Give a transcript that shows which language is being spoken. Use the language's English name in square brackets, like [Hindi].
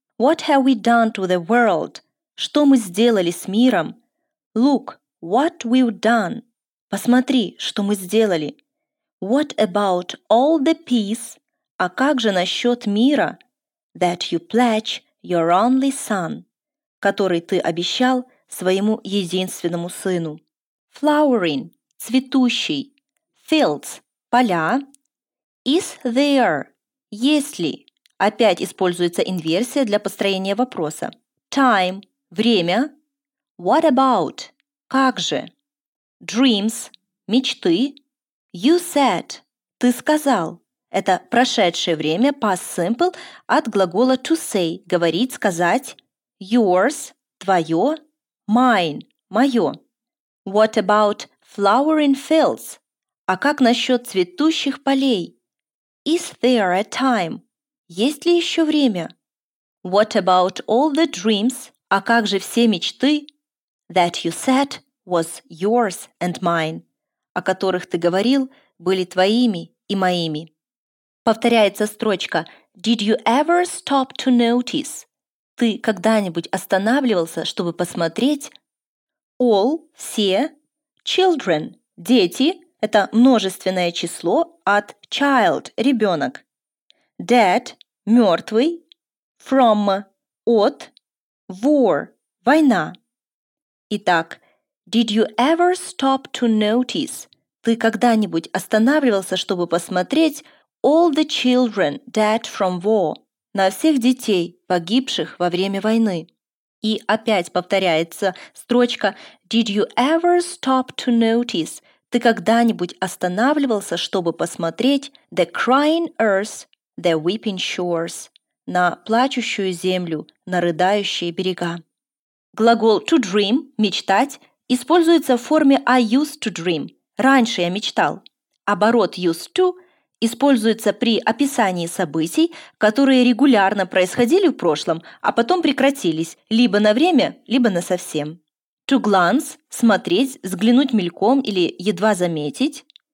[English] What have we done to the world? [Russian] Что мы сделали с миром? [English] Look. What we've done. [Russian] Посмотри, что мы сделали. [English] What about all the peace? [Russian] А как же насчет мира? [English] That you pledge your only son, [Russian] который ты обещал своему единственному сыну. Flowering – цветущий. Fields – поля. Is there – есть ли? Опять используется инверсия для построения вопроса. Time – время. What about – как же? Dreams – мечты. You said – ты сказал. Это прошедшее время, past simple, от глагола to say – говорить, сказать. Yours – твое. Mine – мое. [English] What about flowering fields? [Russian] А как насчет цветущих полей? [English] Is there a time? [Russian] Есть ли еще время? [English] What about all the dreams? [Russian] А как же все мечты? [English] That you said was yours and mine. [Russian] О которых ты говорил, были твоими и моими. Повторяется строчка [English] «Did you ever stop to notice?» [Russian] Ты когда-нибудь останавливался, чтобы посмотреть? All – все, children – дети, это множественное число от child – ребенок, dead – мертвый, from – от, war – война. [English] Итак, «Did you ever stop to notice?» [Russian] Ты когда-нибудь останавливался, чтобы посмотреть [English] all the children dead from war, [Russian] на всех детей, погибших во время войны? И опять повторяется строчка [English] Did you ever stop to notice? [Russian] Ты когда-нибудь останавливался, чтобы посмотреть [English] the crying earth, the weeping shores, [Russian] на плачущую землю, на рыдающие берега? Глагол to dream, мечтать, используется в форме I used to dream. Раньше я мечтал. Оборот used to используется при описании событий, которые регулярно происходили в прошлом, а потом прекратились, либо на время, либо насовсем. To glance – смотреть, взглянуть мельком или едва заметить.